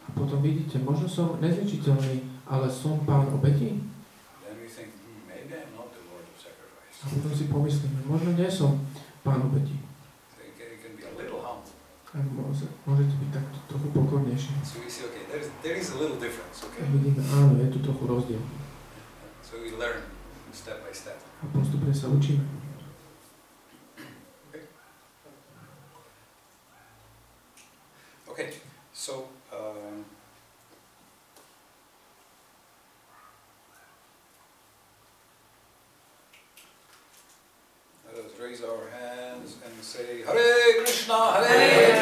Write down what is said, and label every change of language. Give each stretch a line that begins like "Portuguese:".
Slovak: A potom vidíte, možno som nezničiteľný, ale som pán obeti?
English: Then you think, maybe I am not the Lord of Sacrifice.
Slovak: A potom si pomyslíme, možno nie som pán obeti.
English: You can be a little humble.
Slovak: A môžete byť takto trochu pokornejšie.
English: So you see, okay, there is a little difference, okay?
Slovak: A vidíme, áno, je tu trochu rozdiel.
English: So we learn step by step.
Slovak: A postupne sa učíme.
English: Okay. So, let us raise our hands and say Hare Krishna, Hare